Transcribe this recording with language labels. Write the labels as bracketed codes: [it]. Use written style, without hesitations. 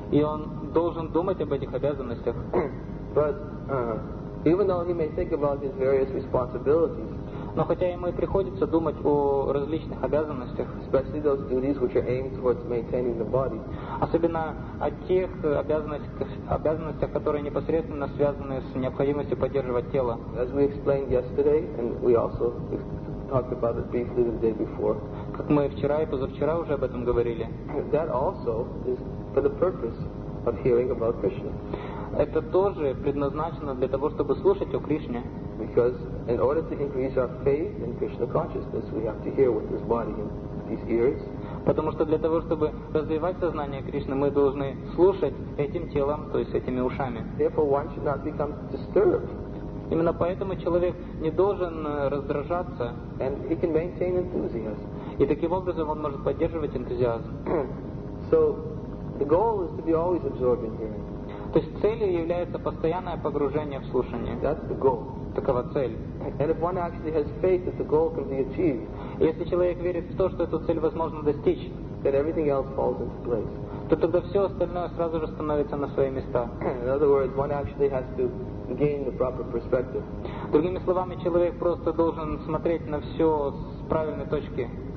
[ru] И он должен думать об этих обязанностях. [en] But even though he may think about his various responsibilities, [ru] но хотя ему и приходится думать о различных обязанностях, [en] especially those duties which are aimed towards maintaining the body, [ru] особенно о тех обязанностях, которые непосредственно связаны с необходимостью поддерживать тело. [en] As we explained yesterday, and we also talked about it briefly the day before. [ru] как мы вчера и позавчера уже об этом говорили. [en] That also is for the purpose of hearing about Krishna. [ru] Это тоже предназначено для того, чтобы слушать о Кришне. [en] Because in order to increase our faith in Krishna consciousness, we have to hear with this body and these ears. [ru] Потому что для того, чтобы развивать сознание Кришны, мы должны слушать этим телом, то есть этими ушами. [en] Therefore, one should not become disturbed. [ru] Именно поэтому человек не должен раздражаться. [en] And he can maintain enthusiasm. [ru] И таким образом он может поддерживать энтузиазм. [en] So, the goal is to be always absorbed in hearing. [ru] То есть целью является постоянное погружение в слушание. [en] That's the goal. [ru] Такова цель. [en] And if one actually has faith that the goal can be achieved. [ru] Если человек верит в то, что эту цель возможно достичь, [en] then everything else falls into place. [ru] То тогда все остальное сразу же становится на свои места. [en] In other words, one actually has to gain the proper perspective. [ru] Другими словами, человек просто должен смотреть на все с правильной точки.